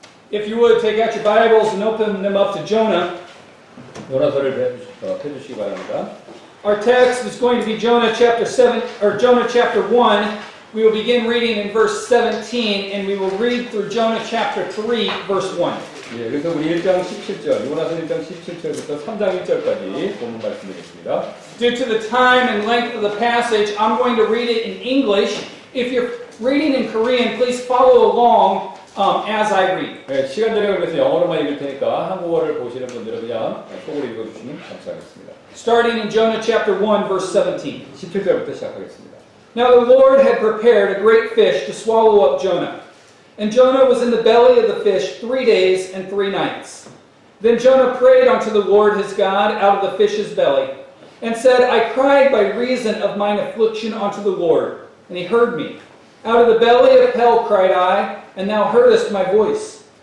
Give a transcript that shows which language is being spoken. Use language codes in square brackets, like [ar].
[en] If you would take out your Bibles and open them up to Jonah. [ko] 요나서를 펴주시기 바랍니다. [en] Our text is going to be Jonah chapter 7 or Jonah chapter 1. We will begin reading in verse 17 and we will read through Jonah chapter 3 verse 1. [ko] 예, 그래서 우리 1장 17절, 요나서 1장 17절부터 3장 1절까지 본문 말씀드리겠습니다. [en] Due to the time and length of the passage, I'm going to read it in English. If you're reading in Korean, please follow along as I read. [ko] 예, 시간대로 그래서 영어로만 읽을 테니까 한국어를 보시는 분들은 그냥 속으로 읽어주시면 감사하겠습니다. [en] Starting in Jonah chapter 1 verse 17. [ko] 17절부터 시작하겠습니다. [en] Now the Lord had prepared a great fish to swallow up Jonah. And Jonah was in the belly of the fish 3 days and 3 nights. Then Jonah prayed unto the Lord his God out of the fish's belly, and said, I cried by reason of mine affliction unto the Lord, and he heard me. Out of the belly of hell cried I, and thou heardest my voice.